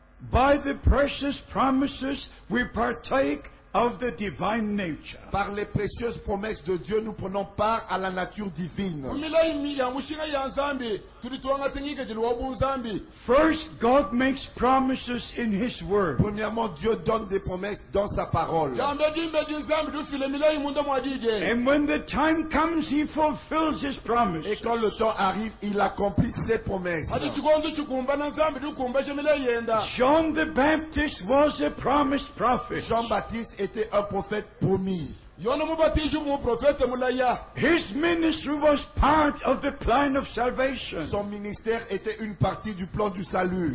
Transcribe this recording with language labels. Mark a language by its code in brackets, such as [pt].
[en] By the precious promises, we partake of the divine nature. [fr] Par les précieuses promesses de Dieu, nous prenons part à la nature divine. [en] First, God makes promises in His Word. [fr] Premièrement, Dieu donne des promesses dans sa parole. [en] And when the time comes, He fulfills His promise. [fr] Et quand le temps arrive, il accomplit ses promesses. [en] John the Baptist was a promised prophet. [fr] Jean-Baptiste était un prophète promis. [en] His ministry was part of the plan of salvation. [fr] Son ministère était une partie du plan du salut.